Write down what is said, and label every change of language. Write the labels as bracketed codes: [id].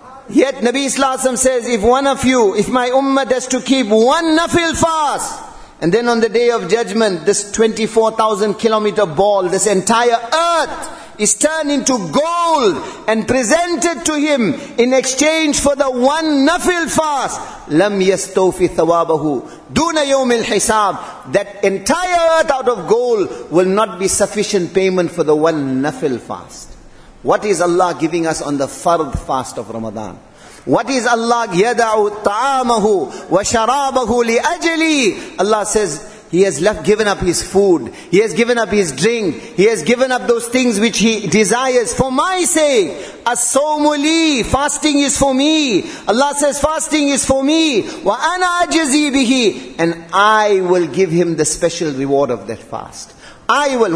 [en] Yet Nabi Sallallahu Alaihi Wasallam says, if one of you, if my ummah has to keep one nafil fast, and then on the day of judgment, this 24,000 kilometer ball, this entire earth is turned into gold and presented to him in exchange for the one nafil fast, [ar] لَمْ يَسْتَوْفِ ثَوَابَهُ دُونَ يَوْمِ الْحِسَابِ, [en] that entire earth out of gold will not be sufficient payment for the one nafil fast. What is Allah giving us on the fard fast of Ramadan? What is Allah [ar] يَدَعُ طَعَامَهُ وَشَرَابَهُ لِأَجْلِي. [en] Allah says, he has left, given up his food. He has given up his drink. He has given up those things which he desires for my sake. [ar] As-sawmu li, [en] fasting is for me. Allah says, fasting is for me. [ar] Wa ana ajzi bihi, [en] and I will give him the special reward of that fast. I will.